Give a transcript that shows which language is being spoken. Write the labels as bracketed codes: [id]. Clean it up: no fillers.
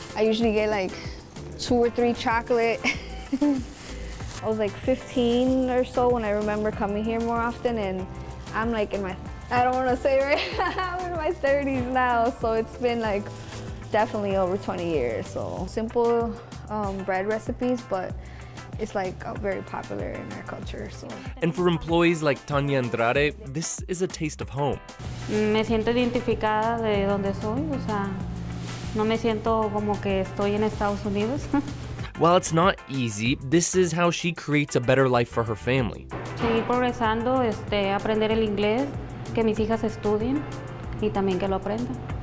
[en] I usually get like two or three chocolate. I was like 15 or so when I remember coming here more often, and I'm like in my, I don't wanna say right, I'm in my 30s now, so it's been like definitely over 20 years. So simple bread recipes, but it's like very popular in our culture, so. And for employees like Tanya Andrade, this is a taste of home. [es] Me siento identificada de donde soy, o sea, no me siento como que estoy en Estados Unidos. [en] While it's not easy, this is how she creates a better life for her family. [es] Seguir progresando, aprender el inglés, que mis hijas estudien y también que lo aprendan.